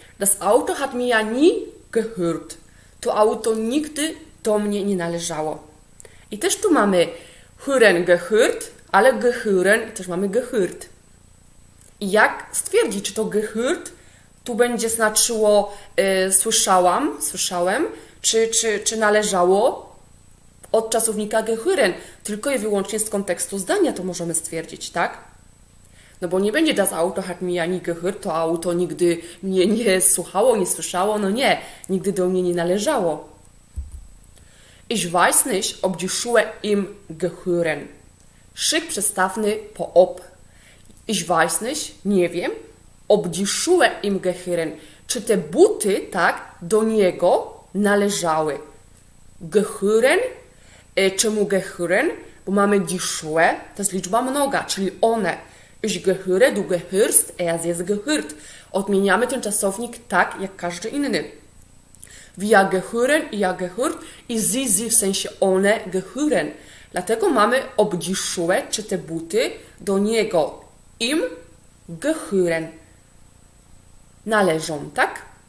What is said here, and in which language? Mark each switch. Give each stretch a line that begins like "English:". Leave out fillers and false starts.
German: Das Auto hat mir nie gehört.
Polish: To auto nigdy do mnie nie należało. I też tu mamy hören gehört, ale gehören też mamy gehört. I jak stwierdzić, czy to gehört tu będzie znaczyło słyszałem, czy należało od czasownika gehören. Tylko i wyłącznie z kontekstu zdania to możemy stwierdzić, tak? No bo nie będzie
German: das Auto hat mir nie gehört,
Polish: to auto nigdy mnie nie słuchało, nie słyszało, no nie, nigdy do mnie nie należało.
German: Ich weiß nicht, ob die Schuhe ihm gehören.
Polish: Szyk przestawny po ob.
German: Ich weiß nicht,
Polish: nie wiem,
German: ob die Schuhe ihm gehören.
Polish: Czy te buty, tak, do niego należały. Gehören, czemu gehören? Bo mamy die Schuhe, to jest liczba mnoga, czyli one.
German: Ich gehöre, du gehörst, er ist gehört.
Polish: Odmieniamy ten czasownik tak, jak każdy inny.
German: Wir gehören,
Polish: ja gehört i sie, w sensie one gehören. Dlatego mamy
German: ob die Schuhe,
Polish: czy te buty, do niego.
German: Im gehören.
Polish: Należą, tak?